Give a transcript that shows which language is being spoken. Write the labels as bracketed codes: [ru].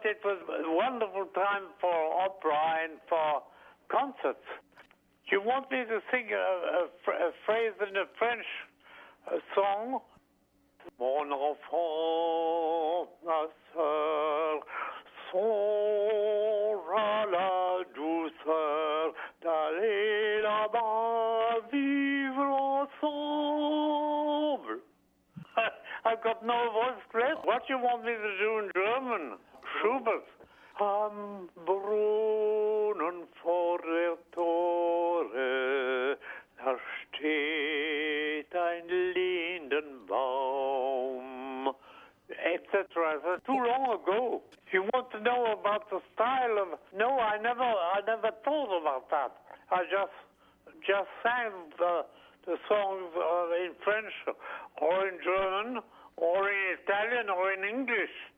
[en] It was a wonderful time for opera and for concerts. You want me to sing a phrase in a French song? [fr] Mon enfant, ma soeur, saura la douceur d'aller là-bas vivre ensemble. [en] I've got no voice left. What you want me to do in German? Schubert. [de] Am Brunnen vor der Tore, da steht ein Lindenbaum. [en] Etc. Too long ago. You want to know about the style of? No, I never thought about that. I just sang the songs in French, or in German, or in Italian, or in English.